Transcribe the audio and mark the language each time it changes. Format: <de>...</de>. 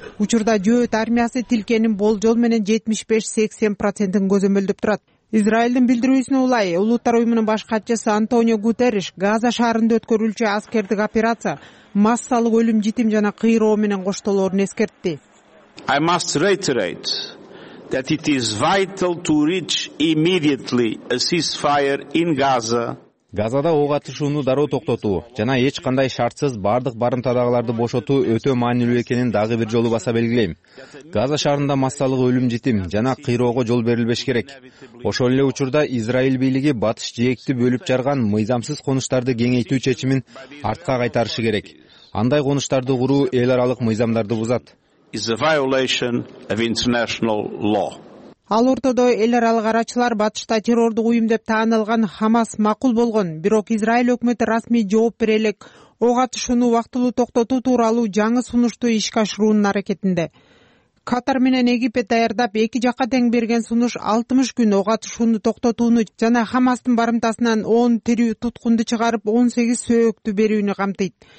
<ky>Учурда жөөт армиясы тилкенин болжол менен 75-80% көзөмөлдөп турат. Израилдин билдирүүсүнө улай, Улуттар уюмунун баш катчысы Антонио Гутерриш Газа шаарында өткөрүлчү аскердик операция массалык өлүм житим жана кыйроо менен коштолорун эскертти.</ky> <en>I must reiterate that it is vital to reach immediately a ceasefire in Gaza.</en> <ky>Газада ок атышууну дароо токтотуу жана эч кандай шартсыз бардык барымтадагыларды бошотуу өтө маанилүү экенин дагы бир жолу баса белгилейм. Газа шаарында массалык өлүм житим жана кыйроого жол берилбеш керек. Ошол эле учурда Израиль бийлиги батыш жээкти бөлүп жарган мыйзамсыз конуштарды кеңейтүү чечимин артка кайтарышы керек. Андай конуштарды куруу эл аралык мыйзамдарды бузат.</ky> <en>Is a violation of international law.</en> <ky>Ал ортодо эл аралык арачылар батышта террордук уюм деп таанылган Хамас макул болгон, бирок Израиль өкмөтү расмий жооп бере элек ок атышууну убактылуу токтотуу тууралуу жаңы сунушту ишке ашыруунун аракетинде. Катар менен Египет даярдап эки жакка тең берген сунуш 60 күн ок атышууну токтотууну жана Хамастын барымтасынан 10 тирүү туткунду чыгарып 18 сөөктү берүүнү камтыйт.</ky>